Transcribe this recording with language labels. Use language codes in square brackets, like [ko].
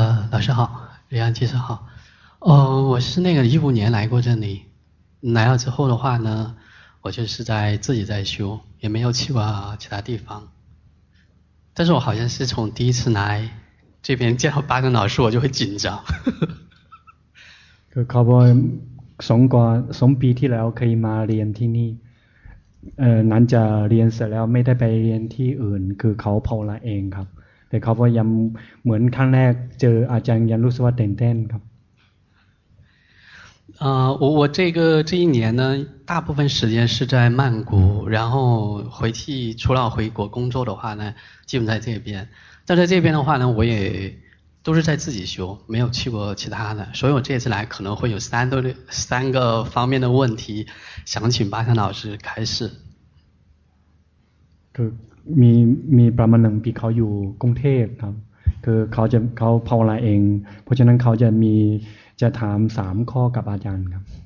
[zh] 老师好李阳教授好我是那个15年来过这里来了之后的话呢我就是在自己在修也没有去过其他地方但是我好像是从第一次来这边见到巴登老师我就会紧张 [th] ก็เขาบอกสองก่อนสองปีที่แล้วเคยมาเรียนที่นี่หลังจากเรียนเสร็จแล้วไม่ได้ไปเรียนที่อื่นคือเขาภาวนาเองครับแต่เขาบอกยังเหมือนครั้งแรกเจออาจารย์ยันรู้สึกว่าเต้นๆครับ [zh] 我这一年呢大部分时间是在曼谷然后回去除了回国工作的话呢基本在这边但在这边的话呢我也都是在自己修没有去过其他的所以我这次来可能会有三个方面的问题想请巴山老师开示 [th] คือมีประมาณหนึ่งปีเขาอยู่กรุงเทพครับคือเขาภาวนาเองเพราะฉะนั้นเขาจะมีจะถาม3ข้อกับอาจารย์ครับ